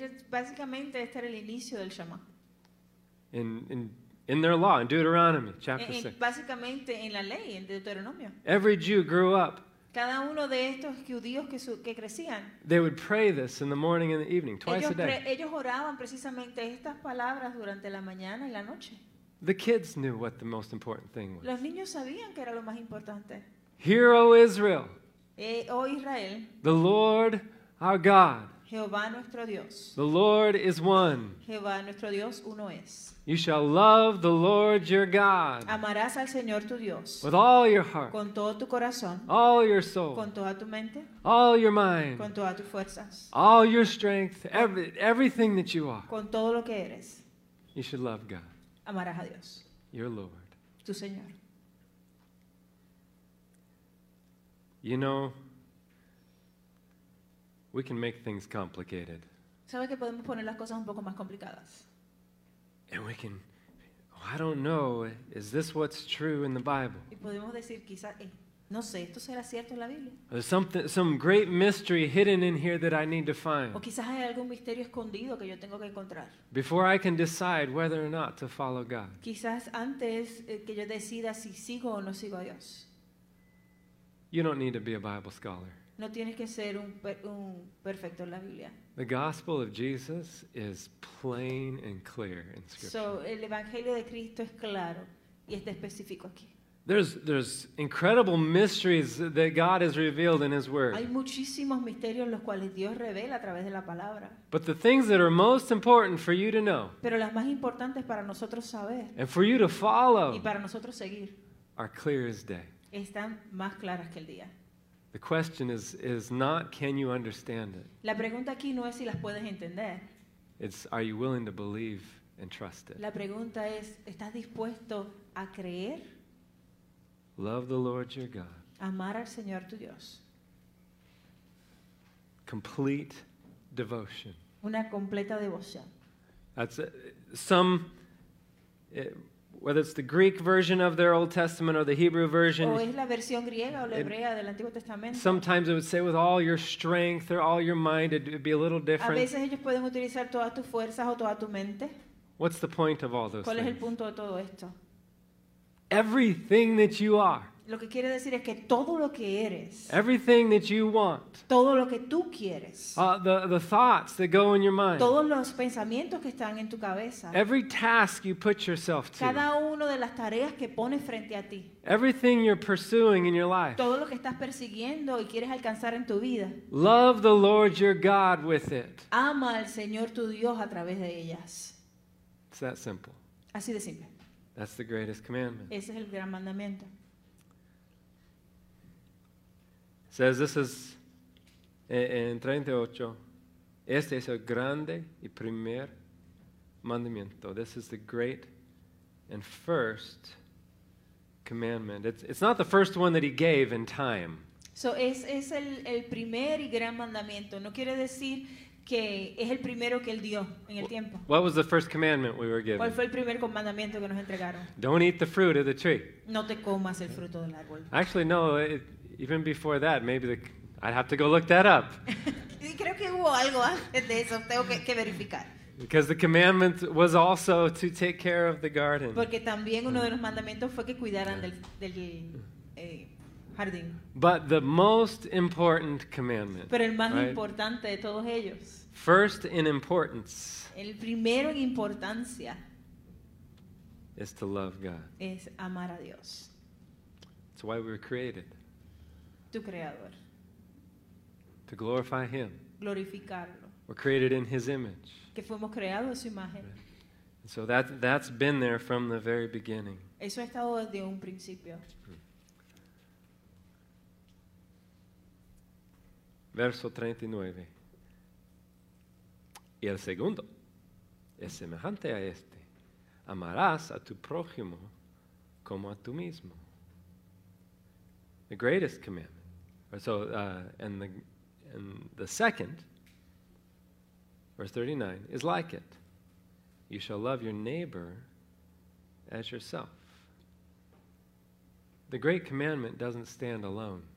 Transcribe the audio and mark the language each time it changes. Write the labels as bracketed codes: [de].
[es] Básicamente este era el inicio del Shema. [en] In their law, in Deuteronomy chapter 6. [es] Básicamente en la ley, en Deuteronomio. [en] Every Jew grew up. [es] Cada uno de estos judíos que crecían. [en] They would pray this in the morning and the evening, twice a day. [es] Ellos oraban precisamente estas palabras durante la mañana y la noche. [en] The kids knew what the most important thing was. [es] Los niños sabían que era lo más importante. [en] Hear, O Israel. [es] Oh Israel. [en] The Lord our God. [es] Jehová nuestro Dios. [en] The Lord is one. [es] Jehová nuestro Dios uno es. [en] You shall love the Lord your God. [es] Amarás al Señor tu Dios. [en] With all your heart. [es] Con todo tu corazón. [en] All your soul. [es] Con toda tu mente. [en] All your mind. [es] Con todas tus fuerzas. [en] All your strength. Everything that you are. [es] Con todo lo que eres. [en] You should love God. [es] Amarás a Dios. [en] Your Lord. [es] Tu Señor. [en] You know, we can make things complicated. [es] ¿Sabe que podemos poner las cosas un poco más complicadas? [en] And we can, I don't know, is this what's true in the Bible? [es] Y podemos decir, quizás, no sé, esto será cierto en la Biblia. [en] There's some great mystery hidden in here that I need to find. [es] O quizás hay algún misterio escondido que yo tengo que encontrar. [en] Before I can decide whether or not to follow God. [es] Quizás antes que yo decida si sigo o no sigo a Dios. [en] You don't need to be a Bible scholar. [es] No tienes que ser un perfecto en la Biblia. [en] The gospel of Jesus is plain and clear in Scripture. [es] So, el Evangelio de Cristo es claro y está específico aquí. [en] There's incredible mysteries that God has revealed in His Word. [es] Hay muchísimos misterios los cuales Dios revela a través de la palabra. [en] But the things that are most important for you to know. [es] Pero las más importantes para nosotros saber. [en] And for you to follow. [es] Y para nosotros seguir. [en] Are clear as day. [es] Están más claras que el día. [en] The question is not can you understand it. [es] La pregunta aquí no es si las puedes entender. [en] It's are you willing to believe and trust it. [es] La pregunta es ¿estás dispuesto a creer? [en] Love the Lord your God. [es] Amar al Señor tu Dios. [en] Complete devotion. [es] Una completa devoción. [en] That's some. Whether it's the Greek version of their Old Testament or the Hebrew version, [es] o es la versión griega o la hebrea del Antiguo Testamento. [en] Sometimes it would say with all your strength or all your mind, it would be a little different. [es] A veces ellos pueden utilizar todas tus fuerzas o toda tu mente. [en] What's the point of all those [es] ¿Cuál [en] things? [es] Es el punto de todo esto? [en] Everything that you are. [es] Lo que quiere decir es que todo lo que eres. [en] Everything that you want. [es] Todo lo que tú quieres. [en] The thoughts that go in your mind. [es] Todos los pensamientos que están en tu cabeza. [en] Every task you put yourself to. [es] Cada una de las tareas que pones frente a ti. [en] Everything you're pursuing in your life. [es] Todo lo que estás persiguiendo y quieres alcanzar en tu vida. [en] Love the Lord your God with it. [es] Ama al Señor tu Dios a través de ellas. [en] It's that simple. [es] Así de simple. [en] That's the greatest commandment. [es] Ese es el gran mandamiento. [en] Says this is in 38. [es] Este es el grande y primer mandamiento. [en] This is the great and first commandment. It's not the first one that he gave in time. [es] So es el primer y gran mandamiento. No quiere decir que es el primero que él dio en el tiempo. [en] What was the first commandment we were given? [es] ¿Cuál fue el primer mandamiento que nos entregaron? [en] Don't eat the fruit of the tree. [es] No te comas el fruto del árbol. [en] Actually, no. Even before that, maybe I'd have to go look that up. [es] Creo que hubo algo de eso. Tengo que verificar. [en] Because the commandment was also to take care of the garden. [es] Porque también uno de los mandamientos fue que cuidaran del jardín. [en] But the most important commandment. [es] Pero el más importante de todos ellos. [en] First in importance. [es] El primero en importancia. [en] Is to love God. [es] Es amar a Dios. [en] It's why we were created. [es] Tu creador. [en] To glorify Him. [es] Glorificarlo. [en] We're created in His image. [es] Que fuimos creados en su imagen. [en] And so that's been there from the very beginning. [es] Eso ha estado desde un principio. Verso 39. Y el segundo es semejante a este. Amarás a tu prójimo como a tu mismo. [en] The greatest commandment. So, and the second, verse 39, is like it. You shall love your neighbor as yourself. The great commandment doesn't stand alone.